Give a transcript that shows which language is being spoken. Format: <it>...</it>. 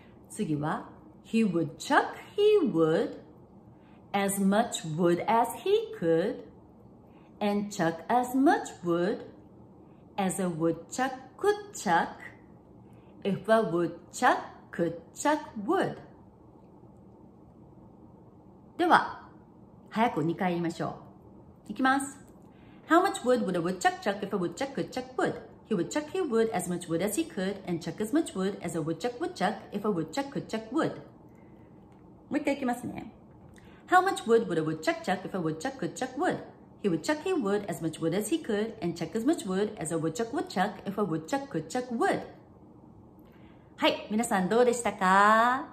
<ja>次は</ja> <en>He would chuck he would as much wood as he could and chuck as much wood as a woodchuck could chuck if a woodchuck could chuck wood.</en> <ja>では早く2回言いましょう。いきます。</ja> <en>How much wood would a woodchuck chuck if a woodchuck could chuck wood? He would chuck he would as much wood as he could and chuck as much wood as a woodchuck would chuck if a woodchuck could chuck wood.</en> <ja>もう一回いきますね。</ja> <en>How much wood would a woodchuck chuck if a woodchuck could chuck wood? He would chuck he would as much wood as he could and chuck as much wood as a woodchuck would chuck if a woodchuck could chuck wood.</en> <ja>はい、皆さんどうでしたか？</ja>